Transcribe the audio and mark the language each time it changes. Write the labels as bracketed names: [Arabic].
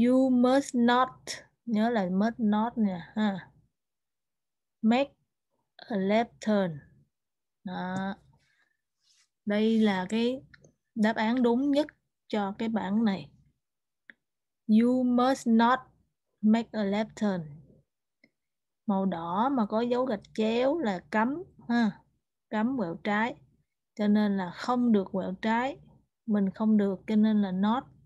[English] Must not, [Vietnamese] nhớ là [English] must not [Vietnamese] nè ha. [English] Make a left turn. Đó. [Vietnamese] Đây là cái đáp án đúng nhất cho cái bảng này. [English] You must not make a left turn. [Vietnamese] Màu đỏ mà có dấu gạch chéo là cấm ha, cấm quẹo trái, cho nên là không được quẹo trái, mình không được cho nên là not.